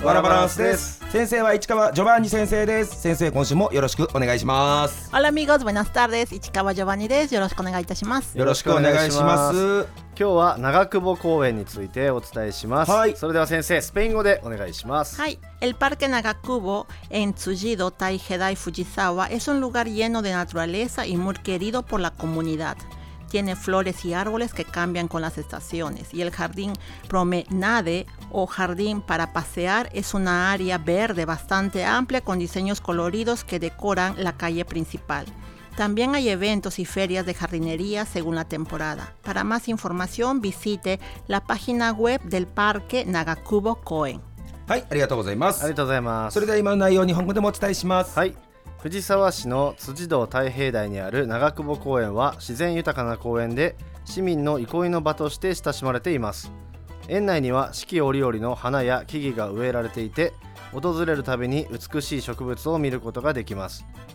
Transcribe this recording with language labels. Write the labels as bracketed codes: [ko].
[ja] ワラバランスです。先生は市川ジョバンニ先生です。先生今週もよろしくお願いします。アラミゴズバナスターです。市川ジョバンニです。よろしくお願いいたします。よろしくお願いします。今日は長久保公園についてお伝えします、はい、それでは先生スペイン語でお願いします。 [es] はい、El Parque Nagakubo en Tsujido, Taihedai, Fujisawa es un lugar lleno de naturaleza y muy querido por la comunidad. Tiene flores y árboles que cambian con las estaciones. Y el jardín Promenade o jardín para pasear es una área verde bastante amplia con diseños coloridos que decoran la calle principal. También hay eventos y ferias de jardinería según la temporada. Para más información visite la página web del Parque Nagakubo Koen. [ja] はい、ありがとうございます。ありがとうございます。それでは今の内容を日本語でもお伝えします。はい、藤沢市の辻堂太平台にある長久保公園は自然豊かな公園で市民の憩いの場として親しまれています。園内には四季折々の花や木々が植えられていて、訪れるたびに美しい植物を見ることができます。